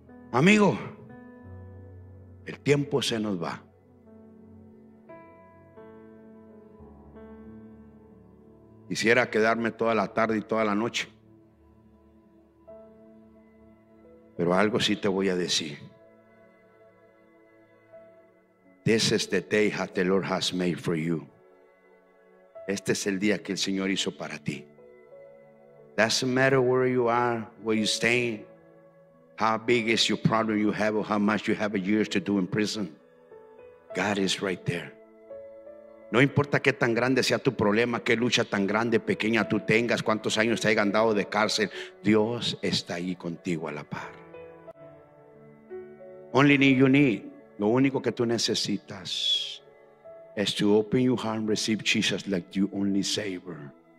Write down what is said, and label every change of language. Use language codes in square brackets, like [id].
[es] Amigo, el tiempo se nos va. Quisiera quedarme toda la tarde y toda la noche, pero algo sí te voy a decir. [en] This is the day that the Lord has made for you. [es] Este es el día que el Señor hizo para ti. [en] Doesn't matter where you are, where you're staying, how big is your problem you have, or how much you have years to do in prison, God is right there. [es] No importa qué tan grande sea tu problema, qué lucha tan grande, pequeña tú tengas, cuántos años te hayan dado de cárcel, Dios está ahí contigo a la par. [en] Only thing you need, [es] lo único que tú necesitas, es [en] to open your heart and receive Jesus like your only Savior.